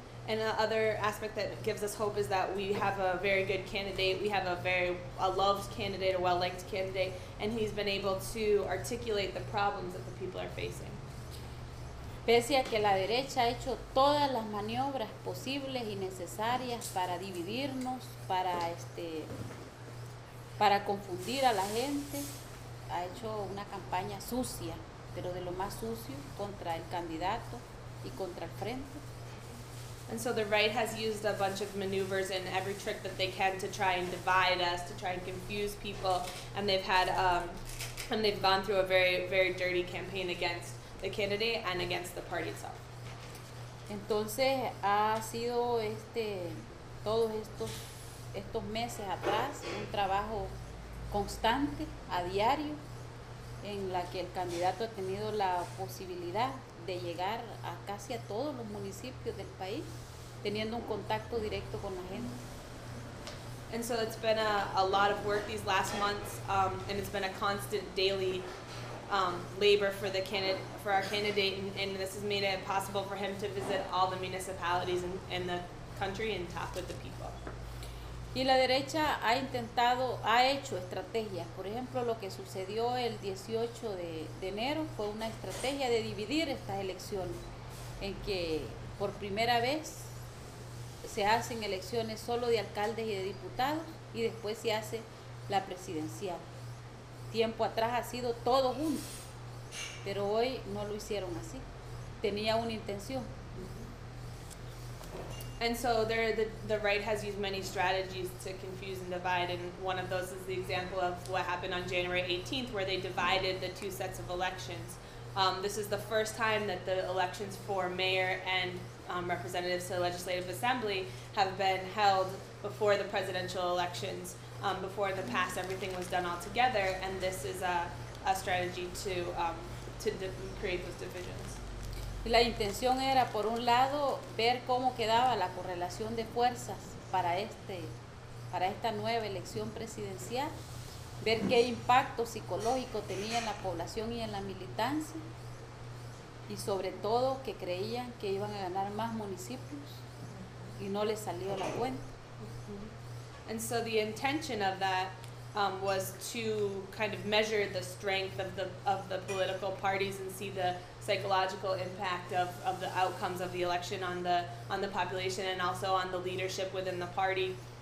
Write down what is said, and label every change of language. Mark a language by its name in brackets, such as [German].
[English] And the other aspect that gives us hope is that we have a very good candidate. We have a very a loved candidate, a well-liked candidate, and he's been able to articulate the problems that the people are facing. [Spanish] Pese a que la derecha ha hecho todas las maniobras posibles y necesarias para dividirnos, para para confundir a la gente, ha hecho una campaña sucia, pero de lo más sucio, contra el candidato y contra el frente. [English] And so the right has used a bunch of maneuvers and every trick that they can to try and divide us, to try and confuse people, and they've had and they've gone through a very, very dirty campaign against the candidate and against the party itself. [Spanish] Entonces ha sido todos estos meses atrás un trabajo constante a diario en la que el candidato ha tenido la posibilidad de llegar a casi a todos los municipios del país, teniendo un contacto directo con la gente. [English] And so it's been a lot of work these last months, and it's been a constant daily labor for the for our candidate, and this has made it possible for him to visit all the municipalities in the country and talk with the people. [Spanish] Y la derecha ha hecho estrategias. Por ejemplo, lo que sucedió el 18 de enero fue una estrategia de dividir estas elecciones, en que por primera vez se hacen elecciones solo de alcaldes y de diputados y después se hace la presidencial. Tiempo atrás ha sido todo junto, pero hoy no lo hicieron así. Tenía una intención. [English] And so the right has used many strategies to confuse and divide, and one of those is the example of what happened on January 18th, where they divided the two sets of elections. This is the first time that the elections for mayor and representatives to the Legislative Assembly have been held before the presidential elections. Before in the past, everything was done all together, and this is a strategy to create those divisions. [Spanish] La intención era, por un lado, ver cómo quedaba la correlación de fuerzas para esta nueva elección presidencial, ver qué impacto psicológico tenía en la población y en la militancia, y sobre todo que creían que iban a ganar más municipios y no les salió la cuenta. [English] And so the intention of that was to kind of measure the strength of the political parties and see the psychological impact of the outcomes of the election on the population and also on the leadership within the party.